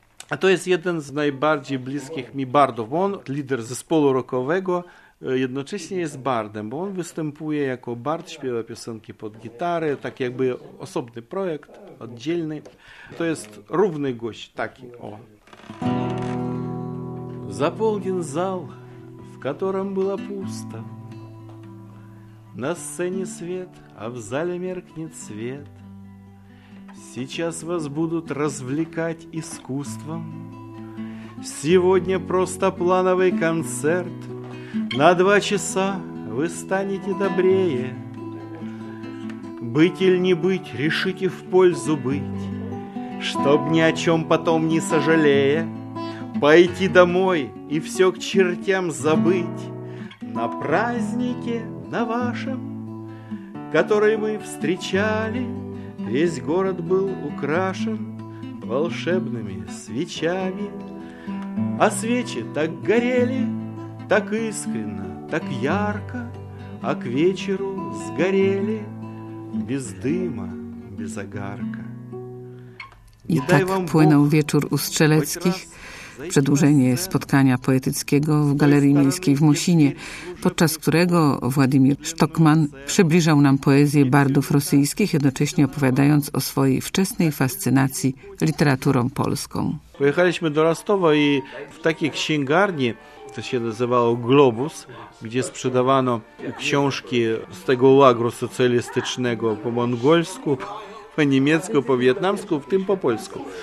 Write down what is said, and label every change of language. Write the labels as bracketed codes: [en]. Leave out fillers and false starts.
[pl] A to jest jeden z najbardziej bliskich mi bardów, bo on lider zespołu rockowego, jednocześnie jest bardem, bo on występuje jako bard, śpiewa piosenki pod gitarę, tak jakby osobny projekt, oddzielny. To jest równy gość, taki on. [ru] Zapełnien zal, w którym była pusta, na scenie świat, a w zale mierknie świat. Сейчас вас будут развлекать искусством. Сегодня просто плановый концерт. На два часа вы станете добрее. Быть или не быть, решите в пользу быть, чтоб ни о чем потом не сожалея, пойти домой и все к чертям забыть. На празднике, на вашем, который мы встречали, весь город был украшен волшебными свечами. А свечи так горели, так искренно, так ярко, а к вечеру сгорели без дыма, без огарка. [pl] И так płynął вечер у Strzeleckich. Przedłużenie spotkania poetyckiego w Galerii Miejskiej w Musinie, podczas którego Władimir Sztokman przybliżał nam poezję bardów rosyjskich, jednocześnie opowiadając o swojej wczesnej fascynacji literaturą polską. Pojechaliśmy do Rostowa i w takiej księgarni to się nazywało Globus, gdzie sprzedawano książki z tego łagru socjalistycznego po mongolsku, po niemiecku, po wietnamsku, w tym po polsku.